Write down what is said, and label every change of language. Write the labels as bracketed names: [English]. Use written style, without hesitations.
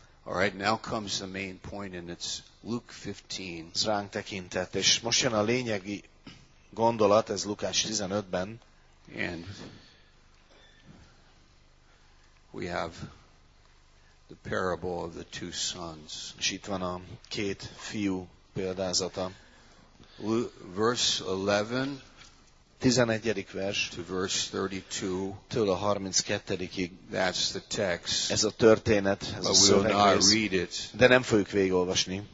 [English] All right, now comes the main point, and it's Luke 15. [Hungarian] Ez ránk tekintett, és most jön a lényegi gondolat, ez Lukács 15-ben. [English] And we have the parable of the two sons. [Hungarian] És itt van a két fiú példázata. [English] Verse 11. [Hungarian] 11. vers [English] to verse 32, [Hungarian] től a 32-ig, [English] that's the text. [Hungarian] Ez a történet, ez [English] but [Hungarian] a szöveg, [English] we'll not read it, [Hungarian] de nem fogjuk végigolvasni.